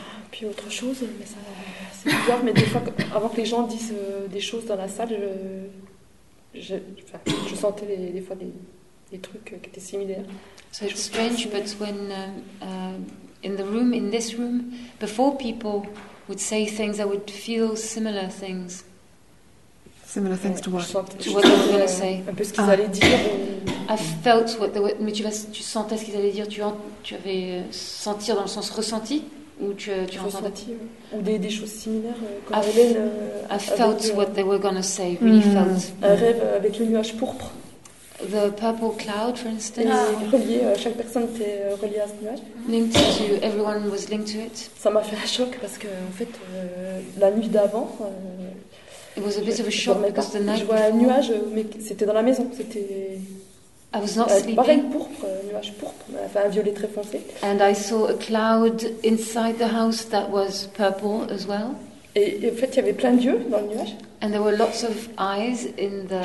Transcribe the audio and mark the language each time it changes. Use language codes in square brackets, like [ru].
[fr] Puis autre chose, mais ça, c'est bizarre, mais des fois, avant que les gens disent des choses dans la salle, je sentais des fois des trucs qui étaient similaires. [en] So it's strange, but when in the room, in this room, before people would say things, I would feel similar things. Similar things to what? To what they were going to say. [fr] Un peu ce qu'ils allaient dire. [en] I felt what they were... [fr] Mais tu sentais ce qu'ils allaient dire. Tu avais sentir dans le sens ressenti. Ou tu ressentais... Ouais. Ou des choses similaires. [en] I felt what they were going to say. Really felt. [fr] Un rêve avec le nuage pourpre. [en] The purple cloud, for instance. [fr] Relié, chaque personne était reliée à ce nuage. [en] Linked to, everyone was linked to it. [fr] Ça m'a fait un choc parce que, en fait, la nuit d'avant... [en] It was a bit of a shock because the night [fr] je vois un nuage, mais c'était dans la maison. C'était. [en] I was not sleeping. [fr] Pareil, pourpre, nuage pourpre, enfin un violet très foncé. [en] And I saw a cloud inside the house that was purple as well. [fr] Et en fait, il y avait plein d'yeux dans le nuage. [en] And there were lots of eyes in the.